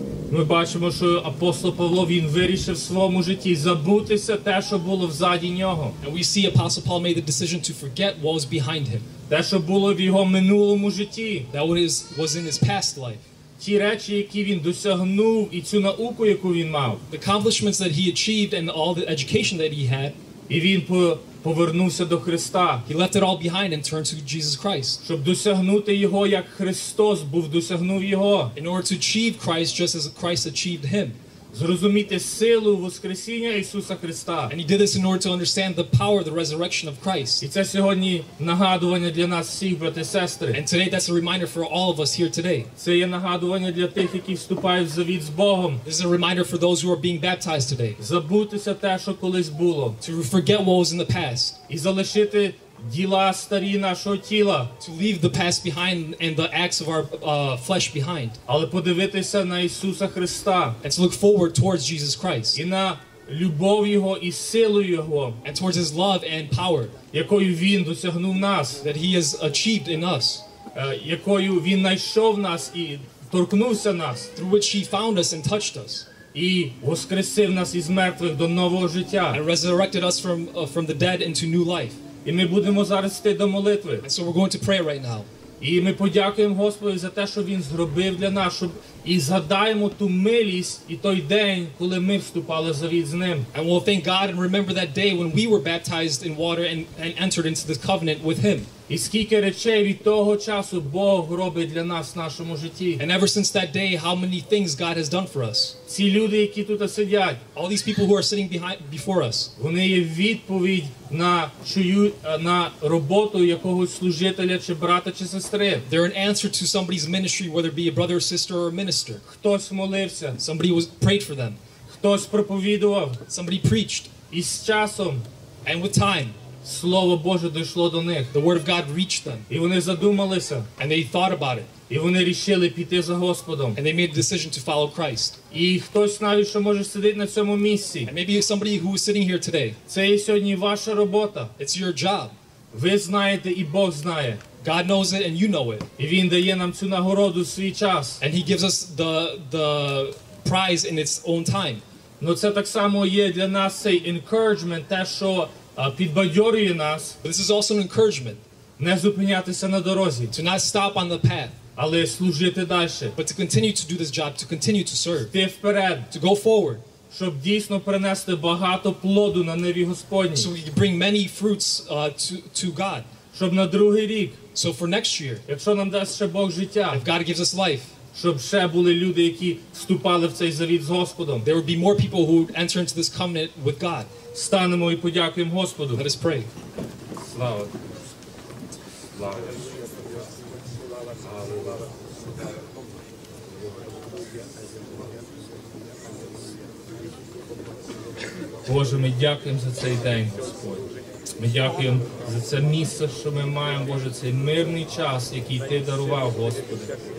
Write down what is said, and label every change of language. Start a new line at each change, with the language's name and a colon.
Ukrainian: Ми бачимо, що апостол Павло, він вирішив в своєму житті забутися те, що було ззаді нього.
English: And we see apostle Paul made the decision to forget what was behind him.
Ukrainian: Те, що було в його минулому житті.
English: That was in his past life.
Ukrainian: Ті речі, які він досягнув, і цю науку, яку він мав.
English: The accomplishments that he achieved and all the education that he had.
Ukrainian: І він повернувся до Христа.
English: He left it all behind and turned to Jesus Christ.
Ukrainian: Щоб досягнути його, як Христос був досягнув його.
English: In order to achieve Christ just as Christ achieved him.
Ukrainian: Зрозуміти силу воскресіння Ісуса Христа.
English: And he did this in order to understand the power of the resurrection of Christ.
Ukrainian: І це сьогодні нагадування для нас всіх, брати і сестри.
English: And today that's a reminder for all of us here today.
Ukrainian: Це є нагадування для тих, які вступають в завіт з Богом.
English: This is a reminder for those who are being baptized today.
Ukrainian: Забутися те, що колись було.
English: To forget what was in the past.
Ukrainian: І залишити діла старі нашого тіла.
English: To leave the past behind and the acts of our flesh behind.
Ukrainian: Але подивитися на Ісуса Христа.
English: And to look forward towards Jesus Christ.
Ukrainian: І на любов Його і силу Його,
English: and towards His love and power,
Ukrainian: якою Він досягнув нас,
English: that He has achieved in us,
Ukrainian: якою Він знайшов нас і торкнувся нас,
English: through which He found us and touched us,
Ukrainian: і воскресив нас із мертвих до нового життя,
English: and resurrected us from the dead into new life.
Ukrainian: І ми будемо зараз йти до молитви,
English: and so we're going to pray right now.
Ukrainian: І ми подякуємо Господу за те, що Він зробив для нас, щоб і згадаємо ту милість і той день, коли ми вступали в завіт з Ним.
English: And we'll thank God and remember that day when we were baptized in water and entered into this covenant with Him.
Ukrainian: І скільки речей від того часу Бог робить для нас в нашому житті.
English: And ever since that day, how many things God has done for us.
Ukrainian: Ці люди, які тут сидять,
English: all these people who are sitting behind before us,
Ukrainian: вони є відповідь на чую на роботу якогось служителя чи брата чи сестри.
English: They're an answer to somebody's ministry, whether it be a brother, sister, or a minister.
Ukrainian: Хтось молився.
English: Somebody was prayed for them.
Ukrainian: Хтось проповідував.
English: Somebody preached.
Ukrainian: І з часом.
English: And with time.
Ukrainian: Слово Боже дійшло до них.
English: The word of God reached them.
Ukrainian: І вони задумалися.
English: And they thought about it.
Ukrainian: І вони рішили піти за Господом.
English: And they made a decision to follow Christ.
Ukrainian: І хтось навіть, що може сидіти на цьому місці.
English: And maybe somebody who is sitting here today.
Ukrainian: Це є сьогодні ваша робота.
English: It's your job.
Ukrainian: Ви знаєте і Бог знає.
English: God knows it and you know it.
Ukrainian: І Він дає нам цю нагороду в свій час.
English: And He gives us the prize in its own time.
Ukrainian: Ну це так само є для нас цей encouragement, те, що підбадьорює нас.
English: But this is also an encouragement.
Ukrainian: Не зупинятися на дорозі.
English: To not stop on the path.
Ukrainian: Але служити далі.
English: But to continue to do this job, to continue to serve.
Ukrainian: Йти вперед.
English: To go forward.
Ukrainian: Щоб дійсно принести багато плоду на ниві Господній.
English: So we can bring many fruits to God.
Ukrainian: Щоб на другий рік.
English: So for next year.
Ukrainian: Якщо нам дасть ще Бог життя.
English: If God gives us life.
Ukrainian: Щоб ще були люди, які вступали в цей завіт з Господом.
English: There would be more people who would enter into this covenant with God.
Ukrainian: Станемо і подякуємо Господу.
English: Let us pray.
Ukrainian: Слава. Слава. Боже, ми дякуємо за цей день, Господь. Ми дякуємо за це місце, що ми маємо, Боже, цей мирний час, який Ти дарував, Господи.